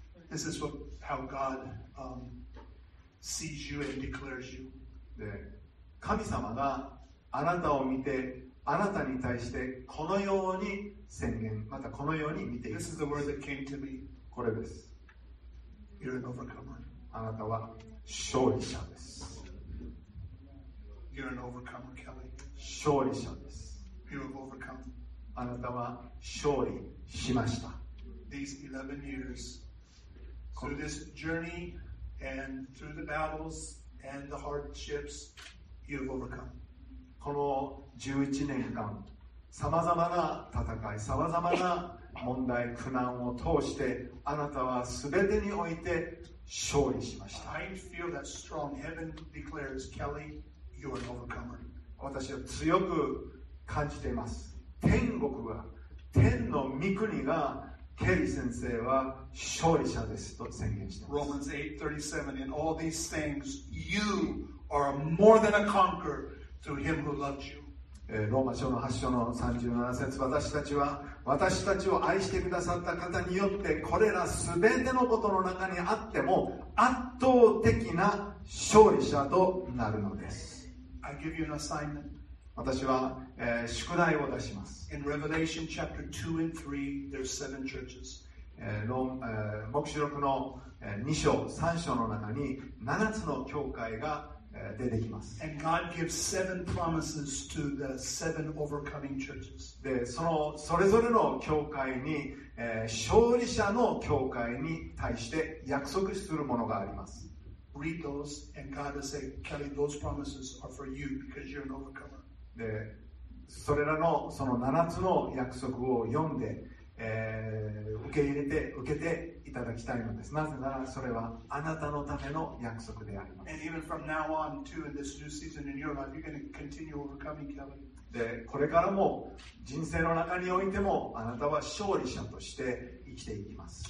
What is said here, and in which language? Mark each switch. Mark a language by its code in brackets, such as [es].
[en] This is how God、sees you and declares you. [ja] で、神様があなたを見てあなたに対してこのように宣言またこのように見ています。 [en] This is the word that came to me. [ja] これです。 [en] You're an overcomer. [ja] あなたは勝利者です。 [en] You're an overcomer, Kelly. [ja] 勝利者です。 [en] You have overcome. [ja] あなたは勝利しました。 [en] These 11 years, through this journey and through the battles and the hardships, you have overcome. [ja] この11年間、さまざまな戦い、さまざまな問題、苦難を通して、あなたはすべてにおいて勝利しました。 [en] I feel that strong heaven declares, Kelly, you are an overcomer. [ja] 私は強く感じています。天国が天の御国がケリー先生は勝利者ですと宣言しています。 [en] Romans 8:37 In all these things you are more than a conqueror through him who loved you. [ja] ローマ書の8章の37節、私たちを愛してくださった方によってこれらすべてのことの中にあっても圧倒的な勝利者となるのです。 [en] I give you an assignment. [ja] 私は、宿題を出します。 [en] In Revelation chapter 2 and 3 there are seven churches. [ja] 黙示録の2章3章の中に7つの教会が出てきます。 [en] And God gives seven promises to the seven overcoming churches. [ja] で、そのそれぞれの教会に、勝利者の教会に対して約束するものがあります。 [en] read those, and God will say, Kelly, those promises are for you because you're an overcomer. [ja] で、それらのその7つの約束を読んで、受け入れて受けていただきたいのです。なぜならそれはあなたのための約束であります。 [en] And even from now on, too, in this new season in your life, you're going to continue overcoming, Kelly. [ja] で、これからも人生の中においてもあなたは勝利者として生きていきます。